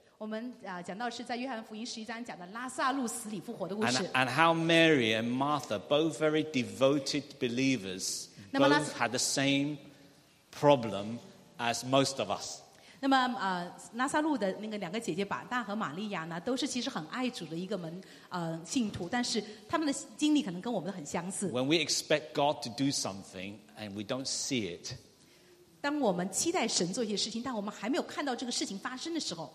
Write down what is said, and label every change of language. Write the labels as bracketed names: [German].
[Chinese] 我们, 讲到是在约翰福音十一章讲的拉撒路死里复活的故事。 [English] And how Mary and Martha, both very devoted believers, both had the same problem as most of us. [Chinese] 那么, 拉撒路的那个两个姐姐,巴大和玛利亚呢, 都是其实很爱主的一个门, 信徒, 但是他们的经历可能跟我们很相似。 [English] When we expect God to do something and we don't see it, [Chinese] 当我们期待神做一些事情, 但我们还没有看到这个事情发生的时候,